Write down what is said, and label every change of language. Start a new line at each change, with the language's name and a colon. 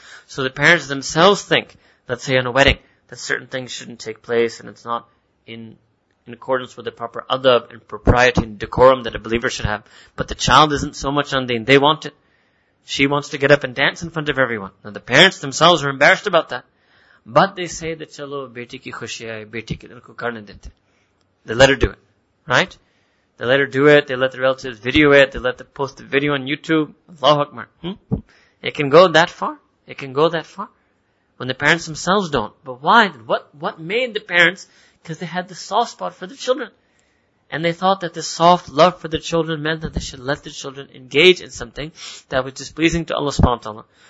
English: So the parents themselves think, let's say on a wedding, that certain things shouldn't take place and it's not in accordance with the proper adab and propriety and decorum that a believer should have. But the child isn't so much on deen. They want it. She wants to get up and dance in front of everyone. Now the parents themselves are embarrassed about that. But they say that
Hindi: चलो बेटी की खुशी है, बेटी की उनको करने देते.
English: They let her do it. Right? They let her do it, they let the relatives video it, they let them post the video on YouTube. Allahu Akbar. It can go that far. It can go that far. When the parents themselves don't. But why? What made the parents? Because they had the soft spot for the children. And they thought that the soft love for the children meant that they should let the children engage in something that was displeasing to Allah subhanahu wa ta'ala.